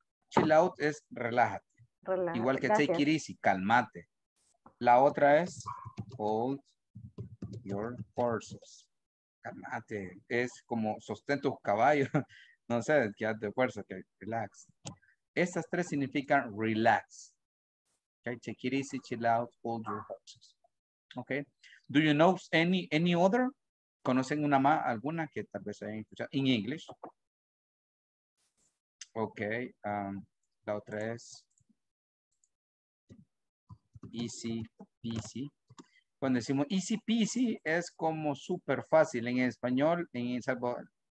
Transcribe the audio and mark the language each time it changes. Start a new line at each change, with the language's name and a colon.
English: Chill out
Spanish: es relájate. Relájate. Igual que gracias.
English: Take it easy,
Spanish: calmate. La otra es
English: hold your horses.
Spanish: Calmate, es como sostén tus caballos, no sé, quédate de fuerza, okay. Relax. Estas tres significan relax.
English: Okay, take it easy, chill out, hold your horses. Okay, do you know any other?
Spanish: ¿Conocen una más, alguna que tal vez hayan escuchado?
English: In English.
Spanish: Okay, la otra es easy peasy. Cuando decimos easy peasy es como súper fácil en español, en Salvador.